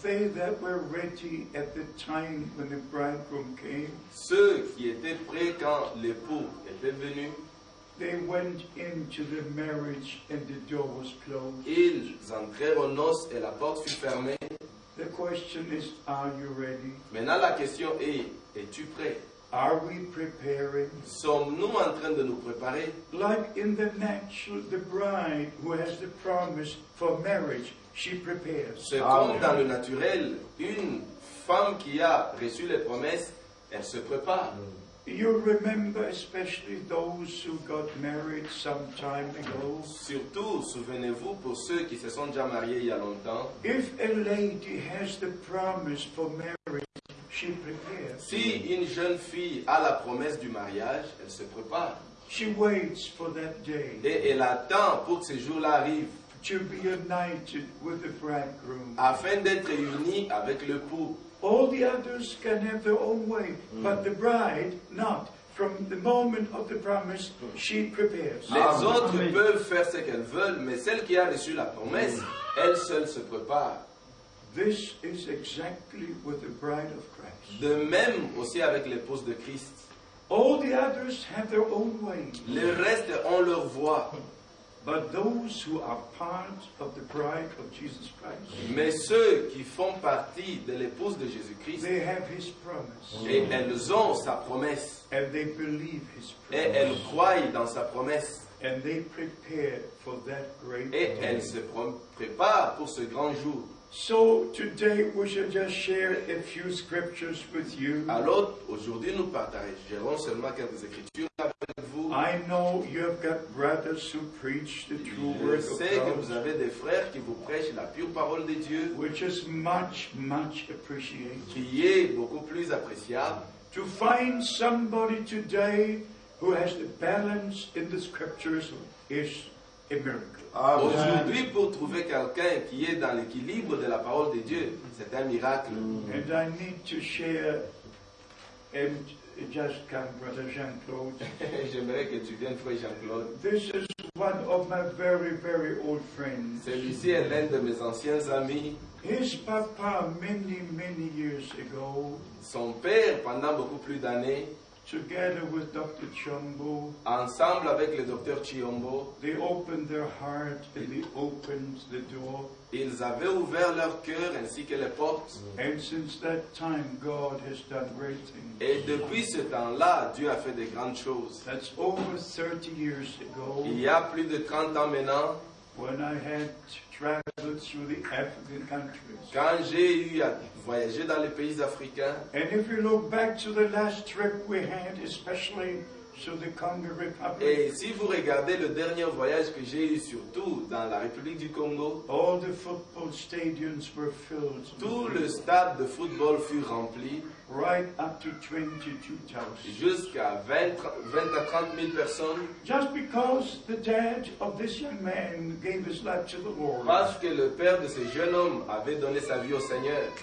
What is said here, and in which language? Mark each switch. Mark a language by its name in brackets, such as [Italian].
[English] they that were ready at the time when the bridegroom came, [French] ceux qui étaient prêts quand l'époux était venu, [English] they went into the marriage and the door was closed. [French] Ils entrèrent aux noces et la porte fut fermée. [English] The question is, are you ready? [French] Maintenant la question est, es-tu prêt? [English] Are we preparing? [French] Sommes-nous en train de nous préparer? [English] Like in the natural, the bride who has the promise for marriage, she prepares. [French] C'est comme dans le naturel, une femme qui a reçu les promesses, elle se prépare. Mm. [English] You remember especially those who got married some time ago. [French] Surtout, souvenez-vous pour ceux qui se sont déjà mariés il y a longtemps. [English] If a lady has the promise for marriage, she prepares. [French] Si une jeune fille a la promesse du mariage, elle se prépare. [English] She waits for that day. [French] Et elle attend pour que ce jour-là arrive. [English] To be united with the bridegroom. [French] Afin d'être unie avec l'époux. [English] All the others can have their own way, but the bride, not. From the moment of the promise, she prepares. [French] Les autres peuvent faire ce qu'elles veulent, mais celle qui a reçu la promesse, elle seule se prépare. [English] This is exactly with the bride of Christ. [French] De même aussi avec l'épouse de Christ. [English] All the others have their own way. [French] Le reste ont leur voie. [English] But those who are part of the bride of Jesus Christ. [French] Mais ceux qui font partie de l'épouse de Jésus-Christ. [English] They have his promise. [French] Et elles ont sa promesse. [English] And they believe his promise. [French] Et elles croient dans sa promesse. [English] And they prepare for that great day. [French] Et elles se préparent pour ce grand jour. [English] So today we shall just share a few scriptures with you. [French] Alors aujourd'hui nous partagerons seulement quelques écritures avec vous. [English] I know you have got brothers who preach the true word of God. [French] Je sais que vous avez des frères qui vous prêchent la pure parole de Dieu. [English] Which is much, much appreciated. [French] Qui est beaucoup plus appréciable. [English] To find somebody today who has the balance in the scriptures is a miracle. [French] Aujourd'hui, pour trouver quelqu'un qui est dans l'équilibre de la parole de Dieu, c'est un miracle. [English] And I need to share and just come, Brother Jean-Claude. [French] J'aimerais que tu viennes, Frère Jean-Claude. [English] This is one of my very, very old friends. [French] Celui-ci est l'un de mes anciens amis. [English] His papa, many, many years ago, [French] son père, pendant beaucoup plus d'années, [English] together with Dr. Chiombo, [French] ensemble avec le Dr. Chiombo, [English] they opened their heart and they opened the door. [French] Ils avaient ouvert leur cœur ainsi que les portes. [English] And since that time, God has done great things. [French] Et depuis ce temps-là, Dieu a fait de grandes choses. [English] That's over 30 years ago. [French] Il y a plus de 30 ans maintenant, [English] when I had traveled through the African countries. [French] Quand j'ai eu à voyager dans les pays africains. [English] And if you look back to the last trip we had, especially to the Congo Republic. [French] Et si vous regardez le dernier voyage que j'ai eu, surtout dans la République du Congo. [English] All the football stadiums were filled. [French] Tout le stade de football fut rempli. [English] Right up to 22,000. [French] Jusqu'à 20 à 30 000 personnes. [English] Just because the dad of this young man gave his life to the Lord. [French] Parce que le père de ce jeune homme avait donné sa vie au Seigneur.